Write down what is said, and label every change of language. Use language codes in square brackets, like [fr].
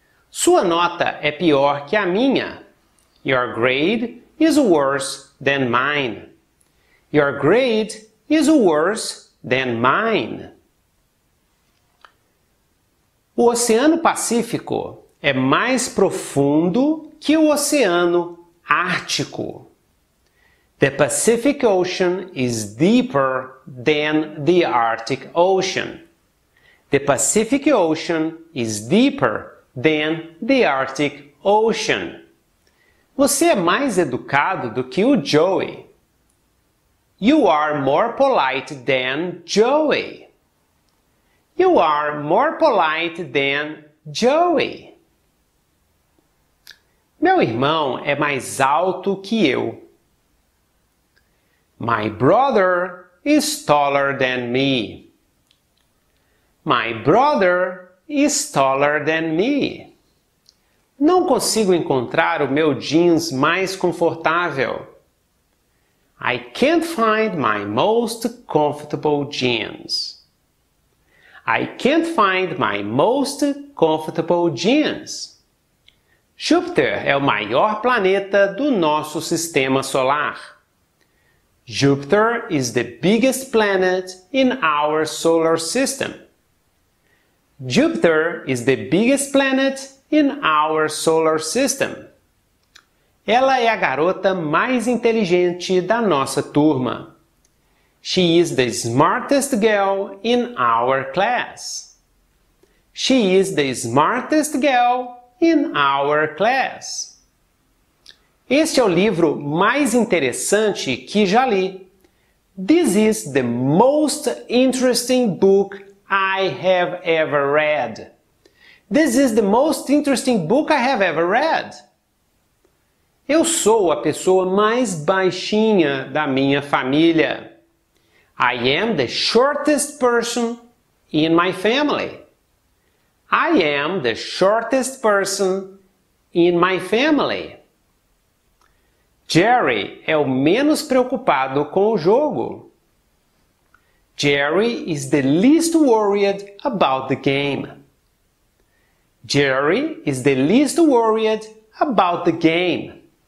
[pt] Sua nota é pior que a minha. [en] Your grade is worse than mine. Your grade is worse than mine. [pt] O Oceano Pacífico é mais profundo que o Oceano Ártico. [en] The Pacific Ocean is deeper than the Arctic Ocean. The Pacific Ocean is deeper than the Arctic Ocean. [pt] Você é mais educado do que o Joey. [en] You are more polite than Joey. You are more polite than Joey. [pt] Meu irmão é mais alto que eu. [en] My brother is taller than me. My brother is taller than me. [pt] Não consigo encontrar o meu jeans mais confortável. [en] I can't find my most comfortable jeans. I can't find my most comfortable jeans. [pt] Júpiter é o maior planeta do nosso sistema solar. [en] Júpiter is the biggest planet in our solar system. Júpiter is the biggest planet in our solar system. [pt] Ela é a garota mais inteligente da nossa turma. [en] She is the smartest girl in our class. She is the smartest girl in our class. [pt] Este é o livro mais interessante que já li. [en] This is the most interesting book I have ever read. This is the most interesting book I have ever read. [pt] Eu sou a pessoa mais baixinha da minha família. [en] I am the shortest person in my family. I am the shortest person in my family. [pt] Jerry é o menos preocupado com o jogo. [en] Jerry is the least worried about the game. Jerry is the least worried about the game.